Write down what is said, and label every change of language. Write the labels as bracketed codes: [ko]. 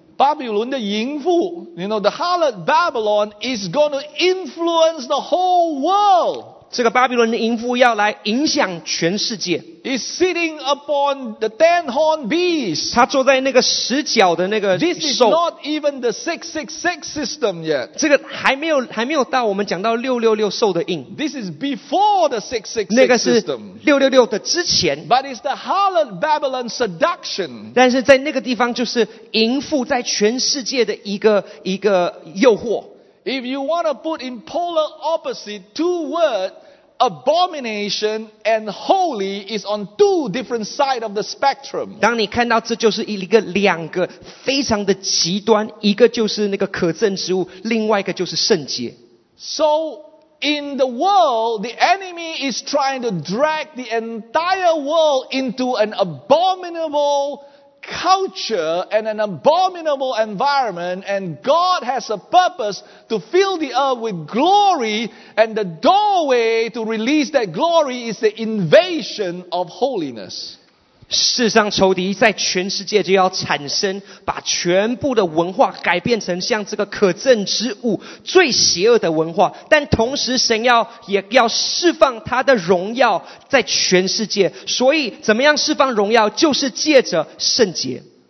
[zh] 巴比伦的淫妇， [en] you know, the harlot Babylon is going to influence the whole world. [zh] 这个巴比伦的淫妇要来影响全世界。 [en] Is sitting upon the 10-horned beast. [zh] 他坐在那个十角的那个兽。 [en] This is not even the 666 system yet. [zh] 这个还没有到我们讲到666兽的印。 [en] This is before the 666 system. [zh] 那个是666的之前。 [en] But it's the harlot Babylon seduction. [zh] 但是在那个地方就是淫妇在全世界的一个诱惑。 [en] If you want to put in polar opposite two words,Abomination and holy is on two different sides of the spectrum. [zh] 当你看到这就是一个两个非常的极端，一个就是那个可憎之物，另外一个就是圣洁。 [en] So in the world, the enemy is trying to drag the entire world into an abominable culture and an abominable environment, and God has a purpose to fill the earth with glory, and the doorway to release that glory is the invasion of holiness. [zh] 世上仇敌在全世界就要产生，把全部的文化改变成像这个可憎之物最邪恶的文化，但同时神也要释放他的荣耀在全世界。所以怎么样释放荣耀，就是借着圣洁。